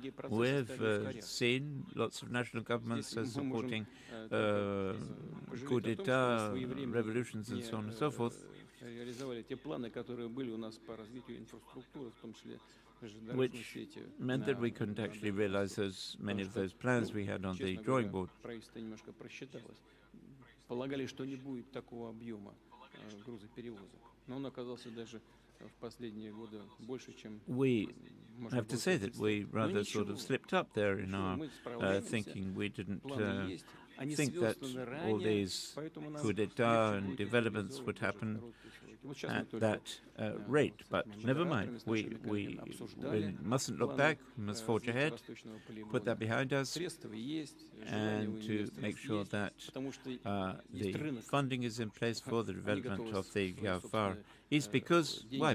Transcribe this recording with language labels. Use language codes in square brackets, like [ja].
[en] we've seen lots of national governments supporting coup d'etat, revolutions, and so on and so forth. [ru] реализовали те планы, которые были у нас по развитию инфраструктуры, в том числе [en] Which meant that we couldn't actually realize as many of those plans we had on the drawing board. [ru] Правительство немножко просчиталось. Полагали, что не будет такого объема грузоперевозок. Но он оказался даже в последние годы больше, чем... [en] We have to say that we rather sort of slipped up there in our thinking. We didn't think that all these coup d'etat and developments would happen at that rate. But never mind, we mustn't look back, we must forge ahead, put that behind us, and to make sure that the funding is in place for the development of the Far East. Because, why?